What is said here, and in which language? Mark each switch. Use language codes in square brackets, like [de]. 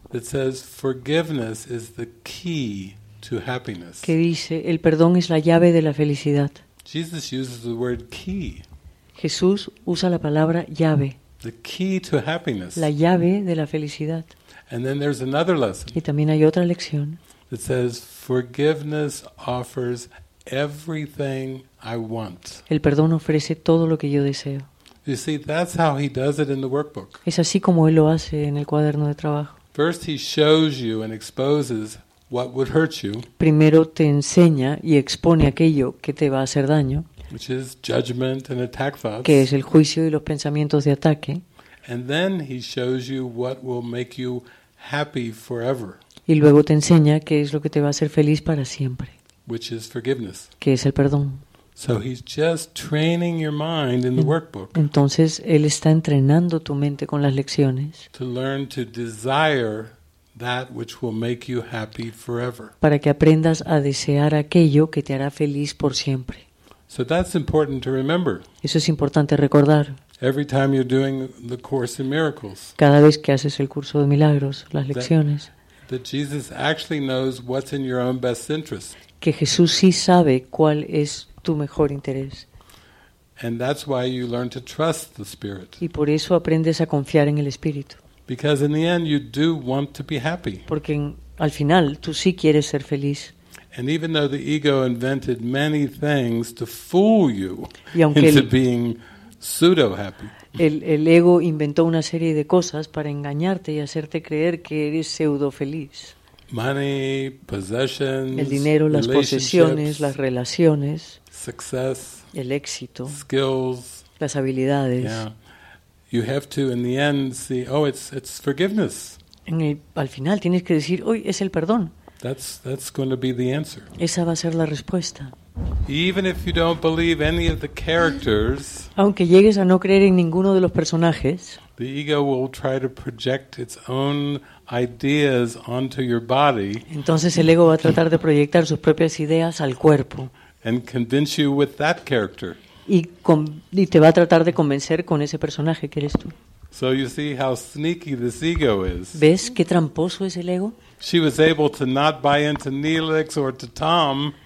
[en] That says forgiveness is the key to happiness. [es] Que dice el perdón es la llave de la felicidad. [en] Jesus uses the word key. [es] Jesús usa la palabra llave. [en] The key to happiness. [es] La llave de la felicidad. [en] And then there's another lesson. [es] Y también hay otra lección. [en] It says forgiveness offers everything I want. [es] El perdón ofrece todo lo que yo deseo. [en] You see, that's how he does it in the workbook. [es] Es así como él lo hace en el cuaderno de trabajo. [en] First he shows you and exposes what would hurt you. [es] Primero te enseña y expone aquello que te va a hacer daño. [en] Which is judgment and attack thoughts. [es] Que es el juicio y los pensamientos de ataque. [en] And then he shows you what will make you happy forever. [es] Y luego te enseña qué es lo que te va a hacer feliz para siempre. [en] Which is forgiveness. [es] Que es el perdón. [en] So he's just training your mind in the workbook. [es] Entonces él está entrenando tu mente con las lecciones. [en] To learn to desire that which will make you happy forever. [es] Para que aprendas a desear aquello que te hará feliz por siempre. [en] So that's important to remember. [es] Eso es importante recordar. [en] Every time you're doing the course in miracles. [es] Cada vez que haces el curso de milagros, las lecciones. [en] That Jesus actually knows what's in your own best interest. [es] Que Jesús sí sabe cuál es tu mejor interés. [en] And that's why you learn to trust the Spirit. [es] Y por eso aprendes a confiar en el Espíritu. [en] Because in the end you do want to be happy. [es] Porque al final tú sí quieres ser feliz. [en] And even though the ego invented many things to fool you into being pseudo happy. [es] El ego inventó una serie de cosas para engañarte y hacerte creer que eres pseudo feliz. [en] Money, possessions, [es] el dinero, las posesiones, las relaciones, [en] success, [es] el éxito, [en] skills, [es] las habilidades. [en] Yeah. You have to in the end see, oh, it's forgiveness. [es] Al final tienes que decir, "Uy, es el perdón." [en] That's going to be the answer. [es] Esa va a ser la respuesta. [en] Even if you don't believe any of the characters, [es] aunque llegues a no creer en ninguno de los personajes, [en] the ego will try to project its own ideas onto your body. [es] Entonces el ego va a tratar de proyectar sus propias ideas al cuerpo. [en] And convince you with that character. [es] Y te va a tratar de convencer con ese personaje que eres tú. [en] So you see how sneaky this ego is. [es] ¿Ves qué tramposo es el ego? [en] She was able to not buy into Neelix or to Tom.